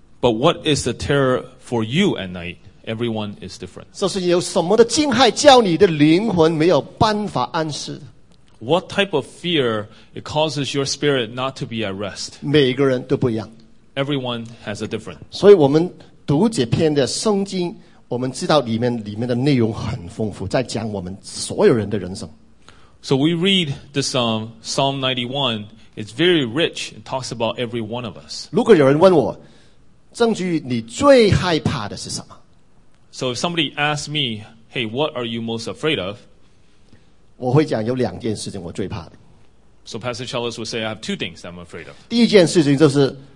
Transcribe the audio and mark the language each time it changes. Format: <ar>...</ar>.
<en>But what is the terror for you at night? Everyone is different.</en> <zh>这是有什么的惊骇叫你的灵魂没有办法安息？</zh> <en>What type of fear it causes your spirit not to be at rest?</en> <zh>每个人都不一样。</zh> <en>Everyone has a different.</en> <zh>所以我们读这篇的圣经，我们知道里面的内容很丰富，在讲我们所有人的人生。</zh> <en>So we read this Psalm 91. It's very rich. It talks about every one of us.</en> <zh>如果有人问我，证据你最害怕的是什么？</zh> <en>So if somebody asks me, hey, what are you most afraid of?</en> <zh>我会讲有两件事情我最怕的。</zh> <en>So Pastor Charles would say, I have two things that I'm afraid of.</en>